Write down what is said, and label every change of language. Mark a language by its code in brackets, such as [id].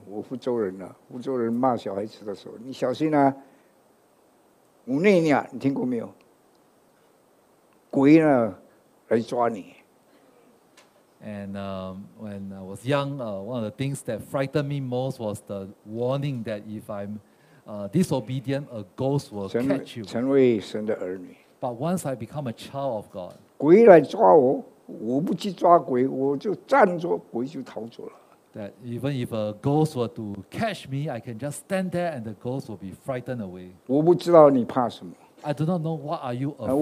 [zh] 我福州人呐，福州人骂小孩子的时候，你小心啊，我那年你听过没有？鬼呢来抓你。 [en] And when I was young, one of the things that frightened me most was the warning that if I'm disobedient, a ghost will catch you. [zh] 成为神的儿女。 [en] But once I become a child of God, [zh] 鬼来抓我，我不去抓鬼，我就站着，鬼就逃走了。 [en] That even if a ghost were to catch me, I can just stand there and the ghost will be frightened away. [zh] 我不知道你怕什么。 [en] I do not know what are you afraid of.